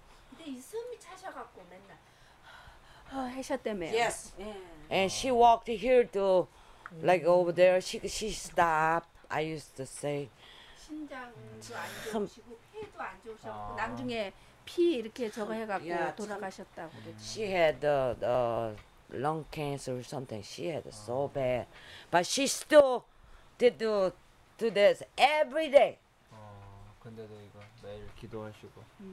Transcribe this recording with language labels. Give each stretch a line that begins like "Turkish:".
Korean: 근데 이 숨이 차셔갖고 맨날 해셔 때문에.
English: Yes. Yeah. And she walked here to like over there. She stopped. I used to say.
Korean: 신장도 안 좋으시고 폐도 안 좋으셨고 나중에 피 이렇게 저거 해갖고 yeah, 돌아가셨다고.
English: She had the lung cancer or something. She had so bad. But she still did do this every day.
Korean: 근데도 이거 매일 기도하시고.